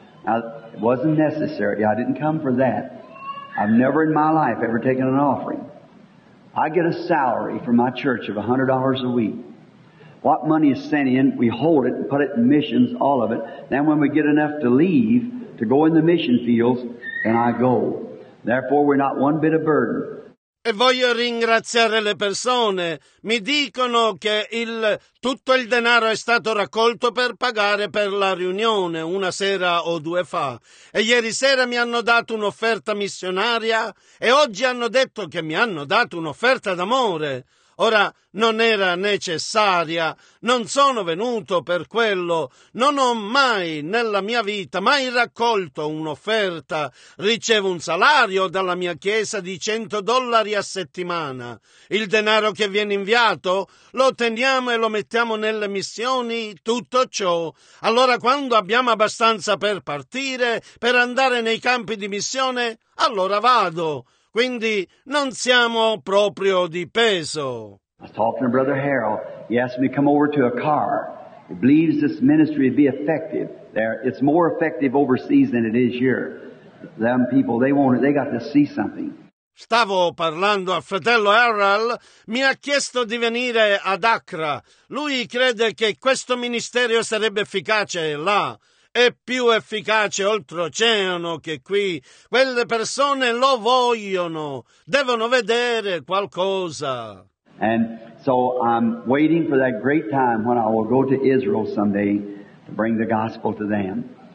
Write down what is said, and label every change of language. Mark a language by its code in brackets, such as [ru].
[en] Now, it wasn't necessary. I didn't come for that. I've never in my life ever taken an offering. I get a salary from my church of $100 a week. What money is sent in, we hold it and put it in missions, all of it. Then when we get enough to leave, to go in the mission fields, then I go. Therefore, we're not one bit of burden. [it] E voglio ringraziare le persone. Mi dicono che tutto il denaro è stato raccolto per pagare per la riunione una sera o due fa. E ieri sera mi hanno dato un'offerta missionaria e oggi hanno detto che mi hanno dato un'offerta d'amore. Ora, non era necessaria, non sono venuto per quello, non ho mai nella mia vita mai raccolto un'offerta, ricevo un salario dalla mia chiesa di $100 a settimana. Il denaro che viene inviato lo teniamo e lo mettiamo nelle missioni, tutto ciò. Allora quando abbiamo abbastanza per partire, per andare nei campi di missione, allora vado. Quindi non siamo proprio di peso. [en] I was talking to Brother Harold. He asked me to come over to a car. He believes this ministry would be effective there. It's more effective overseas than it is here. Them people, they got to see something. [it] Stavo parlando al fratello Harold, mi ha chiesto di venire ad Accra. Lui crede che questo ministero sarebbe efficace là. È più efficace oltreoceano che qui. Quelle persone lo vogliono. Devono vedere qualcosa. [en] And so I'm waiting for that great time when I will go to Israel someday to bring the gospel to them.